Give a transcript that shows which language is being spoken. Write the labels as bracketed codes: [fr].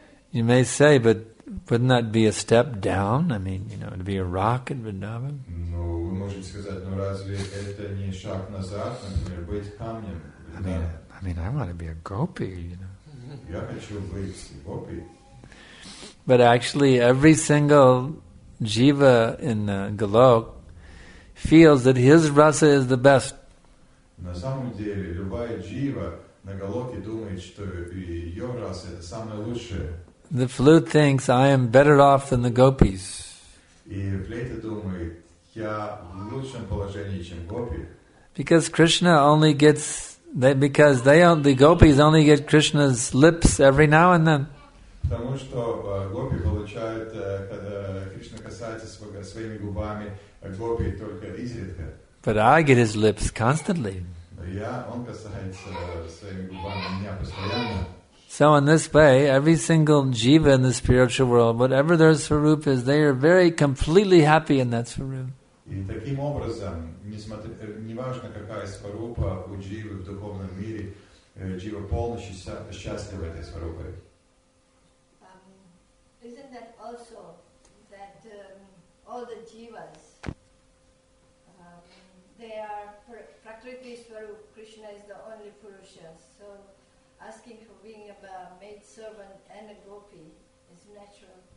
[en] You may say, but wouldn't that be a step down? I mean, you know, to be a rock in Vrindavan? [ru] Ну, вы можете сказать, но разве это не шаг назад, например, быть камнем? [en] I mean, I want to be a gopi, you know. [ru] Я хочу быть гопи. [en] But actually, every single jiva in the Golok feels that his rasa is the best. [ru] На самом деле, любая джива на Голоке думает, что ее раса это самое лучшее. [en] The flute thinks, I am better off than the gopis. [ru] И флейта думает, я в лучшем положении, чем гопи. [en] Because Krishna only gets, the gopis only get Krishna's lips every now and then. [ru] Потому что гопи получают, когда Кришна касается своими губами, гопи только изредка. [en] But I get his lips constantly. [ru] Он касается своими губами меня постоянно. [en] So in this way, every single jiva in the spiritual world, whatever their swarup is, they are very completely happy in that swarup. [ru] И таким образом, неважно какая сварупа у дживы в духовном мире, джива полностью счастлива этой сварупой. [en] Isn't that also that all the jivas, they are Prakriti Swarup, Krishna is the only Purusha, so asking for being a maid servant and a gopi is natural.